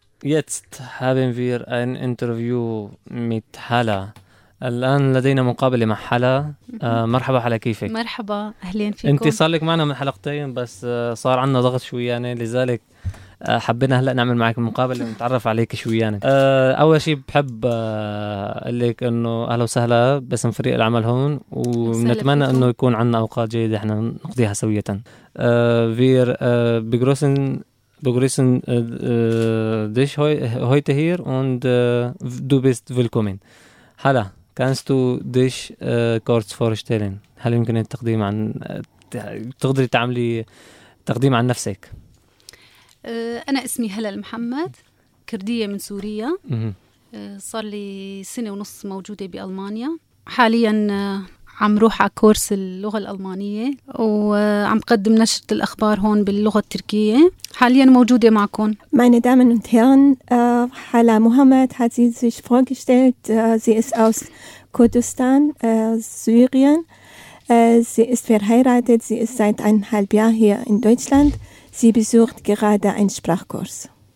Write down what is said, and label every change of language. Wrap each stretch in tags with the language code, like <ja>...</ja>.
<de>Jetzt haben wir ein Interview mit Hala.</de> <ar>الآن لدينا مقابلة مع حلا. مرحبا حلا، كيفك؟ مرحبا، أهلين فيكم. أنت صار لك معنا من حلقتين بس صار عنا ضغط شويانة، لذلك حبينا هلأ نعمل معك مقابلة ونتعرف عليك شويانة. أول شيء بحب أقول لك أنه أهلا وسهلا باسم فريق العمل هون، ونتمنى أنه يكون عنا أوقات جيدة إحنا نقضيها سوية.</ar> <de>فير بجروسن بجروسن ديش هويت هير وند دو بيست فيلكومين.</de> <ar>هلا،</ar> <de>كانستو ديش كورتس فورشتيلين،</de> <ar>هل يمكن التقديم عن تقدري تعملي تقديم عن نفسك؟ أنا اسمي هلا المحمد، كردية من سوريا، صار لي سنة ونص موجودة بألمانيا، حاليا عم روح على كورس اللغة الألمانية وعم قدم نشرة الأخبار هون باللغة التركية، حاليا موجودة معكم.</ar> <de>Meine Damen und Herren, Hala Muhammad hat sie sich vorgestellt. Sie ist aus Kurdistan, Syrien. Sie ist verheiratet. Sie ist seit eineinhalb Jahr hier in Deutschland. Sie besucht gerade einen Sprachkurs.</de>